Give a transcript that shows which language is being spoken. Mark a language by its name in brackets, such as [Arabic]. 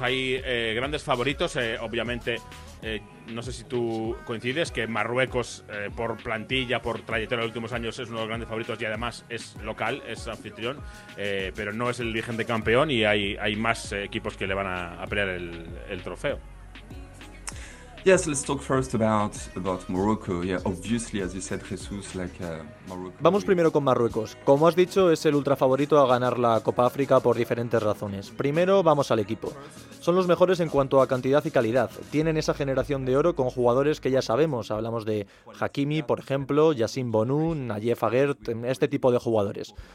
[Spanish] Hay grandes favoritos, obviamente, no sé si tú coincides, que Marruecos, por plantilla, por trayectoria de los últimos años, es uno de los grandes favoritos y además es local, es anfitrión, pero no es el vigente campeón y hay más equipos que le van a pelear el trofeo. [English] Yes, let's talk first about Morocco. Yeah, obviously, as you said, Jesus, like Morocco. [Spanish] Vamos primero con Marruecos. Como has dicho, es el ultra favorito a ganar la Copa África por diferentes razones. Primero, vamos al equipo. Son los mejores en cuanto a cantidad y calidad. Tienen esa generación de oro con jugadores que ya sabemos. Hablamos de Hakimi, por ejemplo, Yassin Bonou, Nayef Agert, este tipo de jugadores.